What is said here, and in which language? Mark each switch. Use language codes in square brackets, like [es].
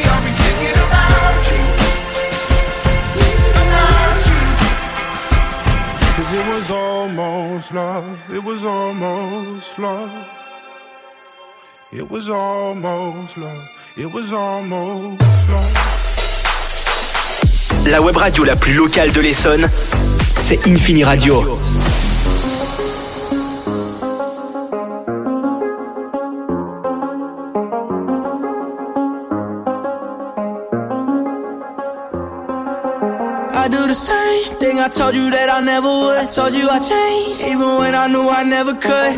[en] I'll be thinking about you, about you. 'Cause it was almost love, it was almost love. It was almost love, it was almost love. [fr] La web radio la plus locale de l'Essonne, c'est Infini Radio. [en] I do the same thing. I told you that I never would. I told you I changed, even when I knew I never could.